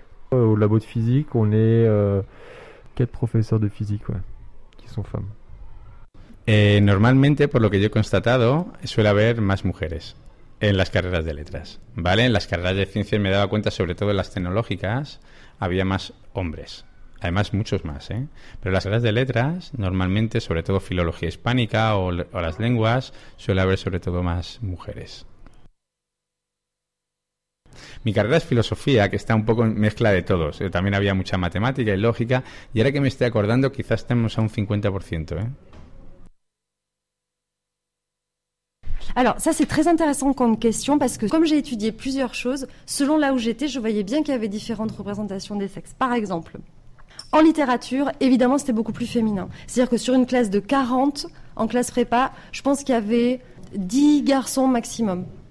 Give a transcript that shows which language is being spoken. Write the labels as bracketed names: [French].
[French] Au labo de physique, on est 4 professeurs de physique ouais, qui sont femmes. [Spanish] Normalmente, por lo que yo he constatado, suele haber más mujeres en las carreras de letras, ¿vale? En las carreras de ciencias me he dado cuenta, sobre todo en las tecnológicas, había más hombres. Además, muchos más, ¿eh? Pero en las carreras de letras, normalmente, sobre todo filología hispánica o las lenguas, suele haber sobre todo más mujeres. Mi carrera es filosofía, que está un poco en mezcla de todos. También había mucha matemática y lógica. Y ahora que me estoy acordando, quizás estemos a un 50%, ¿eh? [French] Alors ça c'est très intéressant comme question parce que comme j'ai étudié plusieurs choses, selon là où j'étais, je voyais bien qu'il y avait différentes représentations des sexes. Par exemple, en littérature, évidemment c'était beaucoup plus féminin. C'est-à-dire que sur une classe de 40, en classe prépa, je pense qu'il y avait 10 garçons maximum.